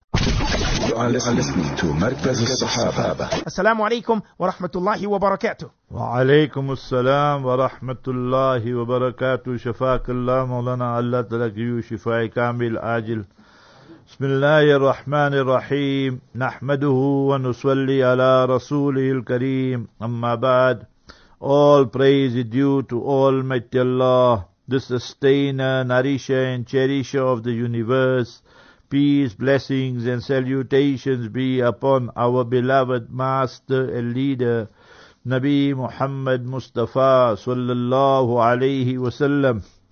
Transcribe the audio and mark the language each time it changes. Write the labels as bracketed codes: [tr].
[en] listening to مركز الصحابة. [ar] السلام عليكم ورحمة الله وبركاته. وعليكم السلام ورحمة الله وبركاته. شفاك الله مولانا، الله تلك يو شفاء كامل آجل. بسم الله الرحمن الرحيم، نحمده ونصلي على رسوله الكريم، أما بعد. [en] All praise is due to Almighty Allah, the sustainer, nourisher and cherisher of the universe. Peace, blessings and salutations be upon our beloved master and leader, Nabi Muhammad Mustafa sallallahu alayhi wasallam.